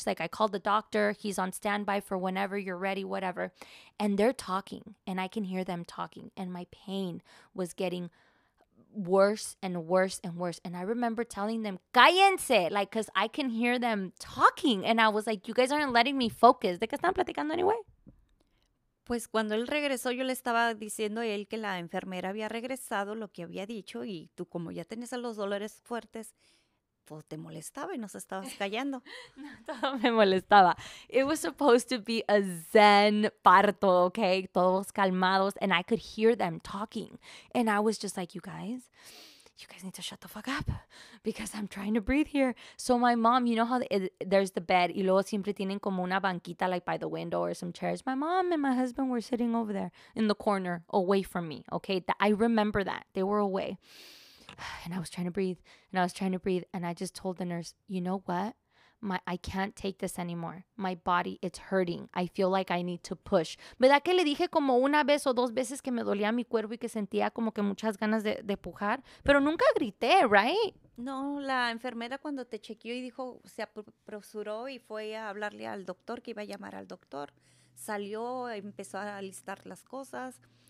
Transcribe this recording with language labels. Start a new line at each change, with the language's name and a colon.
English: She's like, I called the doctor. He's on standby for whenever you're ready, whatever. And they're talking. And I can hear them talking. And my pain was getting worse and worse and worse. And I remember telling them,
Spanish: cállense,
English: like, because I can hear them talking. And I was like, you guys aren't letting me focus.
Spanish: ¿De qué están platicando
English: anyway?
Spanish: Pues cuando él regresó, yo le estaba diciendo a él que la enfermera había regresado lo que había dicho. Y tú, como ya tenías los dolores fuertes, pues te molestaba y nos estabas callando. No, todo me molestaba.
English: It was supposed to be a zen parto, okay?
Spanish: Todos calmados.
English: And I could hear them talking. And I was just like, you guys need to shut the fuck up because I'm trying to breathe here. So my mom, you know how there's the bed
Spanish: y luego siempre tienen como una banquita
English: like by the window or some chairs. My mom and my husband were sitting over there in the corner away from me, okay? I remember that. They were away. And I was trying to breathe, and I was trying to breathe, and I just told the nurse, you know what? I can't take this anymore. My body, it's hurting. I feel like I need to push.
Spanish: ¿Verdad que le dije como una vez o dos veces que me dolía mi cuerpo y que sentía como que muchas ganas de pujar? Pero nunca grité,
English: right?
Spanish: No, la enfermera cuando te chequeó y dijo, se apresuró y fue a hablarle al doctor, que iba a llamar al doctor. Salió, empezó a listar las cosas